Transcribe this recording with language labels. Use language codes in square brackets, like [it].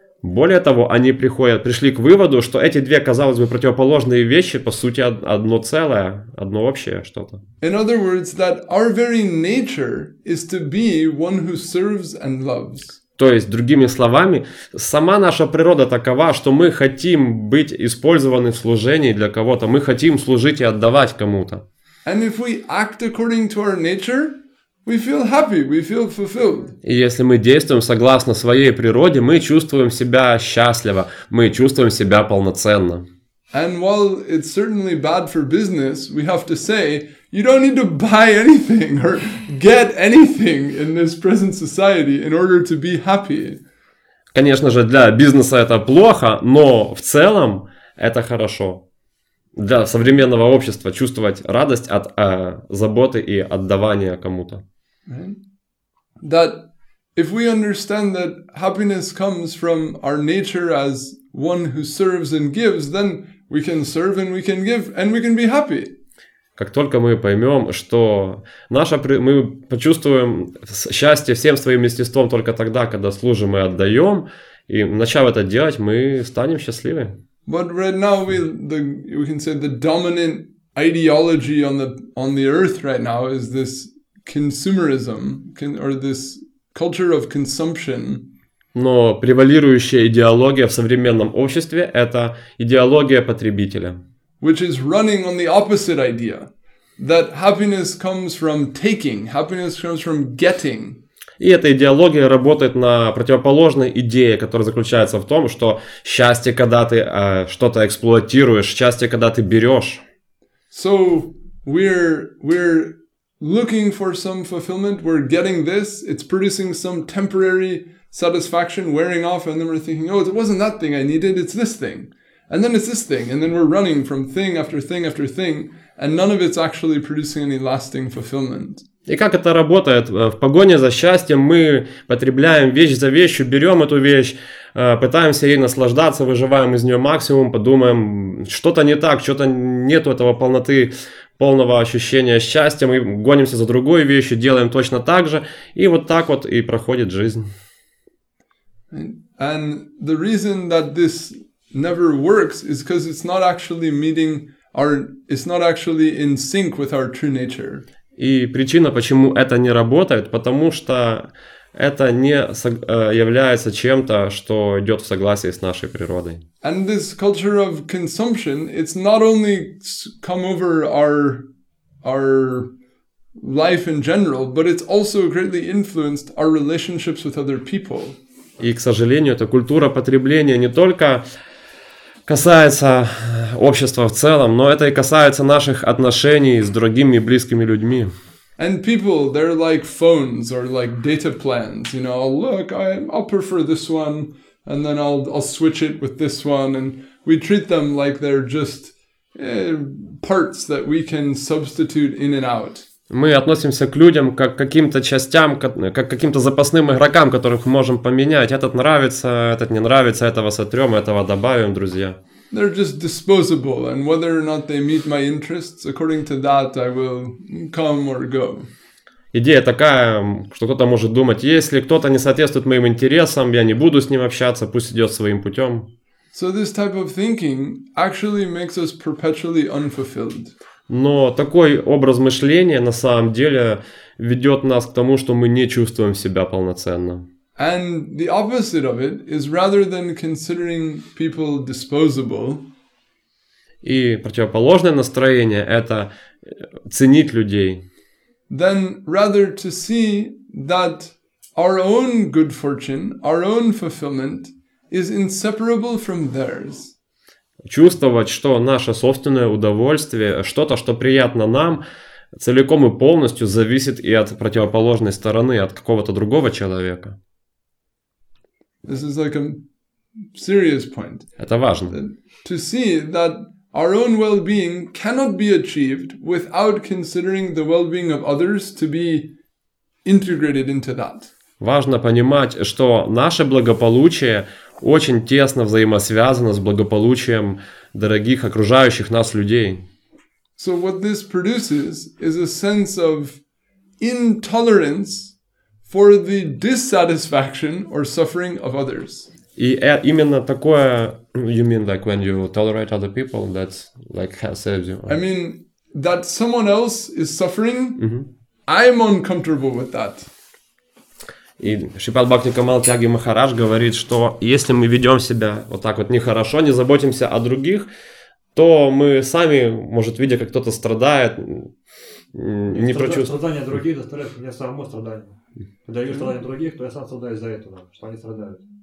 [ru] Более того, они пришли к выводу, что эти две, казалось бы, противоположные вещи, по сути, одно целое, одно общее что-то. [en] In other words, that our very nature is to be one who serves and loves. [ru] То есть, другими словами, сама наша природа такова, что мы хотим быть использованы в служении для кого-то, мы хотим служить и отдавать кому-то. [en] And if we act according to our nature, we feel happy, we feel fulfilled. [ru] И если мы действуем согласно своей природе, мы чувствуем себя счастливо, мы чувствуем себя полноценно. [en] And while it's certainly bad for business, we have to say, you don't need to buy anything or get anything in this present society in order to be happy. [ru] Конечно же, для бизнеса это плохо, но в целом это хорошо. Для современного общества чувствовать радость от заботы и отдавания кому-то. [en] That if we understand that happiness comes from our nature as one who serves and gives, then we can serve and we can give and we can be happy. [ru] Как только мы поймем, что мы почувствуем счастье всем своим естеством только тогда, когда служим и отдаем, и начав это делать, мы станем счастливы. [en] But right now we can say the dominant ideology on the earth right now is this consumerism or this culture of consumption. [ru] Но превалирующая идеология в современном обществе – это идеология потребителя. [en] Which is running on the opposite idea that happiness comes from taking, happiness comes from getting. [ru] И эта идеология работает на противоположной идее, которая заключается в том, что счастье, когда ты что-то эксплуатируешь, счастье, когда ты берешь. [en] So we're looking for some fulfillment, we're getting this, it's producing some temporary satisfaction, wearing off, and then we're thinking, oh, it wasn't that thing I needed, it's this thing. And then it's this thing, and then we're running from thing after thing after thing, and none of it's actually producing any lasting fulfillment. [ru] И как это работает? В погоне за счастьем мы потребляем вещь за вещью, берем эту вещь, пытаемся ей наслаждаться, выживаем из нее максимум, подумаем, что-то не так, что-то нету этого полноты, полного ощущения счастья, мы гонимся за другой вещью, делаем точно так же, и вот так вот и проходит жизнь. [en] And the reason that this never works is because it's not actually meeting our, it's not actually in sync with our true nature. [ru] И причина, почему это не работает, потому что это не является чем-то, что идет в согласии с нашей природой. [en] And this culture of consumption, it's not only come over our life in general, but it's also greatly influenced our relationships with other people. [ru] И, к сожалению, эта культура потребления не только касается общества в целом, но это и касается наших отношений с другими близкими людьми. [en] And people, they're like phones or like data plans, you know, look, I'll prefer this one, and then I'll switch it with this one, and we treat them like they're just parts that we can substitute in and out. [ru] Мы относимся к людям как к каким-то частям, как к каким-то запасным игрокам, которых мы можем поменять. Этот нравится, этот не нравится, этого сотрем, этого добавим, друзья. [en] They're just disposable, and whether or not they meet my interests, according to that, I will come or go. [ru] Идея такая, что кто-то может думать, если кто-то не соответствует моим интересам, я не буду с ним общаться, пусть идет своим путем. [en] So this type of thinking actually makes us perpetually unfulfilled. [ru] Но такой образ мышления на самом деле ведет нас к тому, что мы не чувствуем себя полноценно. [en] And the opposite of it is rather than considering people disposable. [ru] И противоположное настроение – это ценить людей. [en] Then rather to see that our own good fortune, our own fulfillment is inseparable from theirs. [ru] Чувствовать, что наше собственное удовольствие, что-то, что приятно нам, целиком и полностью зависит и от противоположной стороны, от какого-то другого человека. [en] This is like a serious point. [ru] Это важно. [en] To see that our own well-being cannot be achieved without considering the well-being of others to be integrated into that. [ru] Важно понимать, что наше благополучие очень тесно взаимосвязано с благополучием дорогих окружающих нас людей. [en] So what this produces is a sense of intolerance for the dissatisfaction or suffering of others. [ru] И именно такое, [en] you mean like when you tolerate other people, that's like has saved you. I mean that someone else is suffering, I'm uncomfortable with that. [ru] И Шипад Бхакти Камал Тяги Махарадж говорит, что если мы ведем себя вот так вот нехорошо, не заботимся о других, то мы сами, может, видя, как кто-то страдает, не прочувствуем. Страдания других доставляют мне самому страдание. Когда я вижу страдания других, то я сам страдаю из-за этого, что они страдают.